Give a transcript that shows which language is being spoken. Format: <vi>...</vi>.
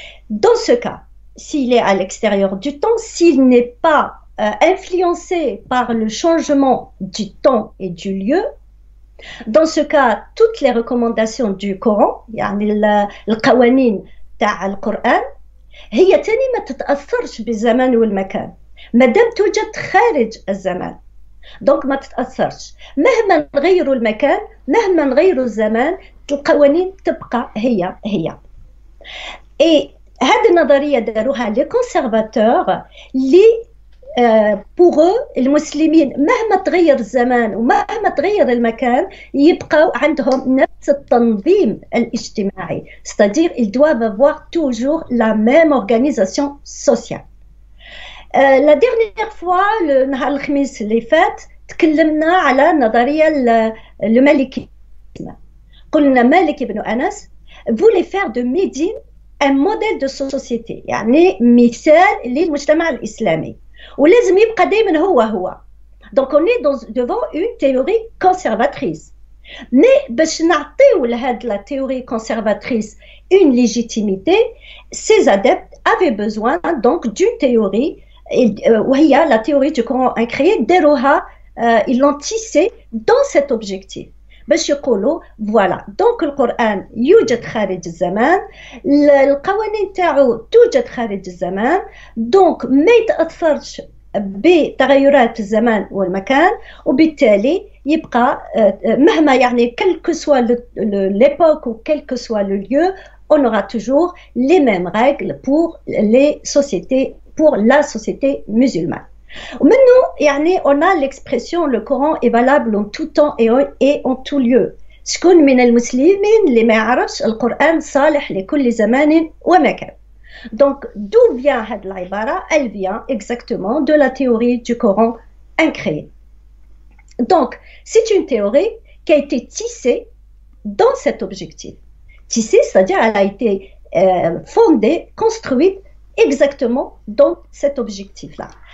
<fr>Dans ce cas, s'il est à l'extérieur du temps, s'il n'est pas influencé par le changement du temps et du lieu, dans ce cas, toutes les recommandations du Coran,</fr> <ar>yani le qawanin ta' al-Qur'an, هي تاني ما تتأثرش بالزمان والمكان. Madame توجد خارج الزمان. Donc ما تتأثرش. مهما نغيروا المكان, مهما نغيروا الزمان, القوانين تبقى هي هي. Et هذه النظرية داروها الكونسيرفاتور اللي</ar> <fr>pour eux</fr> <ar>المسلمين مهما تغير الزمان ومهما تغير المكان يبقوا عندهم نفس التنظيم الاجتماعي</ar> <fr>c'est-à-dire ils doivent avoir toujours la même organisation sociale. La dernière fois le</fr> <ar>نهار الخميس اللي فات تكلمنا على نظرية المالكي قلنا مالك بن أنس</ar> <fr>voulait faire de Médine un modèle de société,</fr> <ar>يعني مثال للمجتمع الإسلامي. ولازم يبقى دائما هو هو.</ar> <fr>Donc on est devant une théorie conservatrice. Mais</fr> <ar>باش نعطيو لهاد</ar> <fr>la théorie conservatrice une légitimité, ses adeptes avaient besoin donc d'une théorie,</fr> <ar>وهي</ar> <fr>la théorie du Coran incréé,</fr> <ar>داروها,</ar> <fr>ils l'ont tissée dans cet objectif.</fr> <ar>باش يقولوا</ar> <fr>voilà donc le Coran</fr> <ar>يوجد خارج الزمان القوانين تاعو توجد خارج الزمان</ar> <fr>donc</fr> <ar>ما يتأثرش بتغيرات الزمان والمكان وبالتالي يبقى مهما يعني</ar> <fr>quel que soit l'époque ou quel que soit le lieu on aura toujours les mêmes règles pour les sociétés pour la société musulmane. Maintenant, يعني, on a l'expression le Coran est valable en tout temps et en tout lieu.</fr> <ar>شكون من المسلمين اللي ما يعرفش القرآن صالح لكل زمان ومكان.</ar> <fr>Donc, d'où vient cette l'ibara? Elle vient exactement de la théorie du Coran incréé. Donc, c'est une théorie qui a été tissée dans cet objectif. Tissée, c'est-à-dire elle a été fondée, construite exactement dans cet objectif-là.</fr>